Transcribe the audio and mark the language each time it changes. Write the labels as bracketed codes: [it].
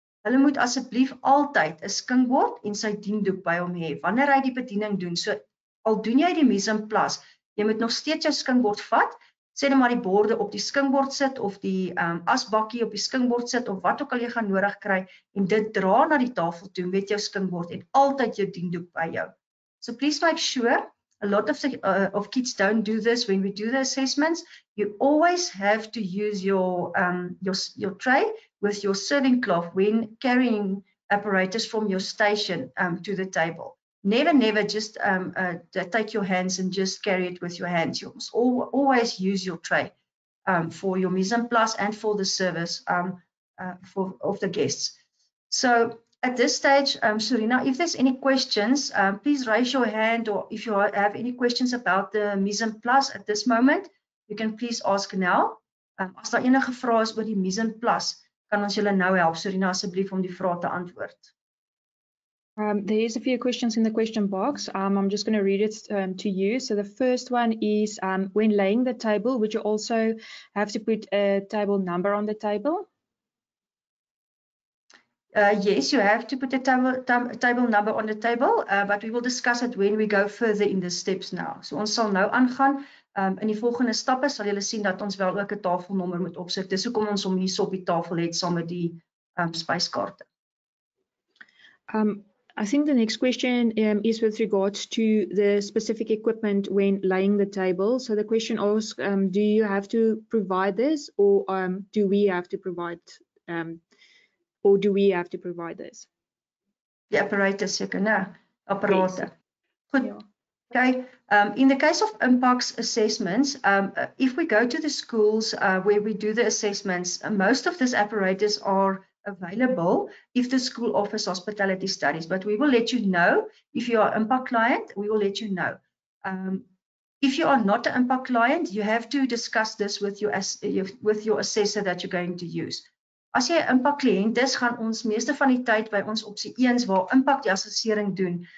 [af] Hulle moet asseblief altyd 'n skinkbord en sy diendoek by hom hê wanneer hy die bediening doen. So al doen jy die mise en place, jy moet nog steeds jou skinkbord vat, sê net maar die borde op die skinkbord sit of die asbakkie op die skinkbord sit of wat ook al jy gaan nodig kry en dit dra na die tafel toe met jou skinkbord en altyd jou diendoek by jou. [en] So please make sure, a lot of kids don't do this when we do the assessments, you always have to use your tray with your serving cloth when carrying apparatus from your station to the table. Never just take your hands and just carry it with your hands. You must always use your tray for your mise en place and for the service of the guests. So at this stage, Serena, if there's any questions, please raise your hand, or if you have any questions about the mise en place at this moment, you can please ask now. [af] As daar enige vrae is oor die mise en place, kan ons julle nou help, Serena, asseblief om die vrae te antwoord. [en] There is a few questions in the question box. I'm just going to read it to you. So the first one is, when laying the table, would you also have to put a table number on the table? Yes, you have to put a table number on the table, but we will discuss it when we go further in the steps now. [af] So ons sal nou aangaan. In die volgende stappe sal julle sien dat ons wel ook 'n tafelnommer moet opsit. Dis hoekom ons hom hier so op die tafel het saam met die spyskaarte. [en] I think the next question is with regards to the specific equipment when laying the table. So the question asks, do you have to provide this, or do we have to provide, or do we have to provide this? The apparatus, operator. Yes. Good. Yeah. Okay, in the case of impacts assessments, if we go to the schools where we do the assessments, most of these apparatus are available if the school offers hospitality studies, but we will let you know. If you are an impact client, we will let you know. If you are not an impact client, you have to discuss this with your assessor that you're going to use. [af] As jy 'n impact client is, gaan ons meeste van die tyd by ons opsie 1 waar impact die assessering doen.